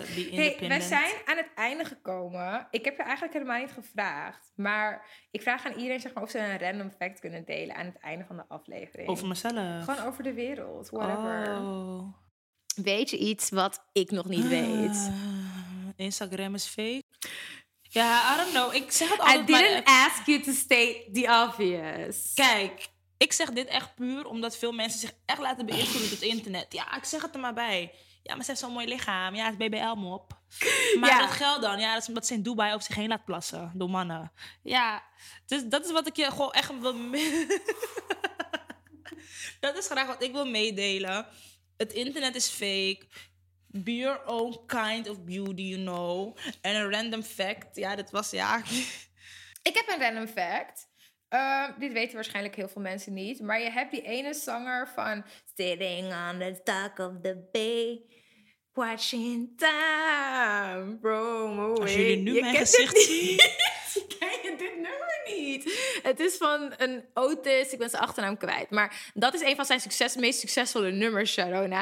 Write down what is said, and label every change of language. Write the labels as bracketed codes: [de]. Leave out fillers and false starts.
[nl] Hey, we zijn aan het einde gekomen. Ik heb je eigenlijk helemaal niet gevraagd. Maar ik vraag aan iedereen zeg maar, of ze een random fact kunnen delen aan het einde van de aflevering. Over mezelf? Gewoon over de wereld, whatever. Oh. Weet je iets wat ik nog niet weet? Instagram is fake. Ja, [en] yeah, I don't know. [nl] Ik zeg het altijd. [en] I didn't ask you to state the obvious. [nl] Kijk. Ik zeg dit echt puur omdat veel mensen zich echt laten beïnvloeden door het internet. Ja, ik zeg het er maar bij. Ja, maar ze heeft zo'n mooi lichaam. Ja, het is BBL mop. Maar ja. Dat geld dan. Ja, dat is omdat ze in Dubai op zich heen laat plassen door mannen. Ja, dus dat is wat ik je gewoon echt wil... dat is graag wat ik wil meedelen. Het internet is fake. [en] Be your own kind of beauty, you know. [nl] En een random fact. Ja, dat was... ja. Ik heb een random fact. Dit weten waarschijnlijk heel veel mensen niet. Maar je hebt die ene zanger van... [en] Sitting on the dock of the bay. Watching time. Bro, away. [nl] Als jullie nu je mijn gezicht zien... Ken je dit nummer niet? Het is van een Otis. Ik ben zijn achternaam kwijt. Maar dat is een van zijn meest succesvolle nummers, Sharona.